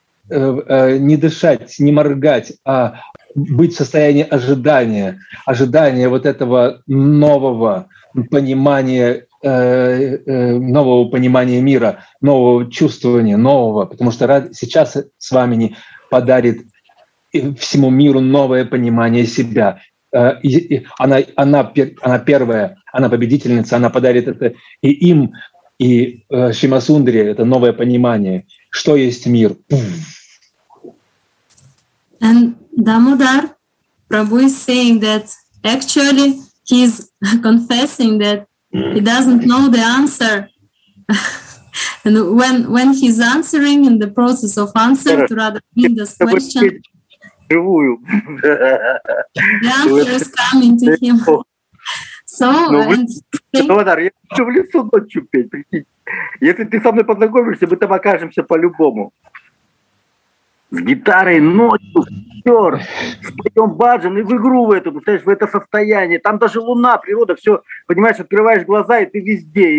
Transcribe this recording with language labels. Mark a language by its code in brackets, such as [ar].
[ru] не дышать, не моргать, а быть в состоянии ожидания, ожидания вот этого нового понимания, нового понимания мира, нового чувствования, нового, потому что сейчас с вами не подарит всему миру новое понимание себя. Она первая, она победительница, она подарит это и им, и Шимасундре, это новое понимание, что есть мир. [en] And Damodar, Prabhu is saying that actually he's confessing that he doesn't know the answer. And when he's answering in the process of answering to Radha Govinda's question, the answer is coming to him. So, [ru] Damodar, я хочу в лесу ночью петь, прикинь. Если ты со мной познакомишься, мы там окажемся по-любому. С гитарой ночью, сёр, споём баджан и в игру в эту, представляешь, в это состояние. Там даже луна, природа, всё, понимаешь, открываешь глаза, и ты везде.